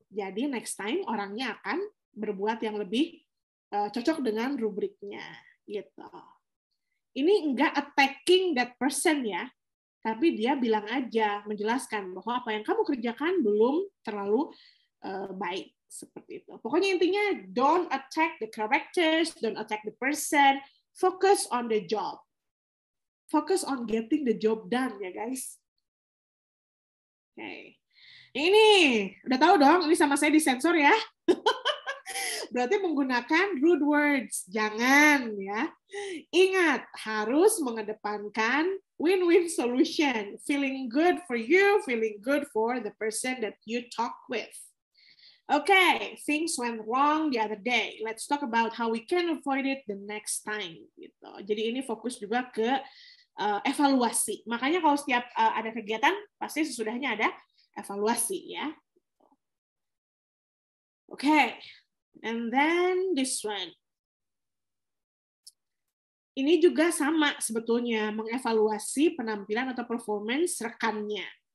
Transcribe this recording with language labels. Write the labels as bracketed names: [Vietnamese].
[Indonesian] Jadi [English] next time [Indonesian] orangnya akan berbuat yang lebih cocok dengan rubriknya. Gitu. Ini enggak [English] attacking that person, [Indonesian] ya. Tapi dia bilang aja, menjelaskan bahwa apa yang kamu kerjakan belum terlalu baik. Seperti itu. Pokoknya intinya, [English] don't attack the characters, don't attack the person. Focus on the job. Focus on getting the job done, ya guys. [Indonesian] Okay. Ini, udah tahu dong, ini sama saya disensor, ya. Berarti menggunakan rude words. Jangan, ya. Ingat, harus mengedepankan win-win solution. [English] Feeling good for you, feeling good for the person that you talk with. Okay, things went wrong the other day. Let's talk about how we can avoid it the next time. [Indonesian] Gitu. Jadi ini fokus juga ke evaluasi. Makanya kalau setiap ada kegiatan, pasti sesudahnya ada evaluasi, ya. [English] Okay, and then this one. [Indonesian] Ini juga sama sebetulnya, mengevaluasi penampilan atau performance rekannya.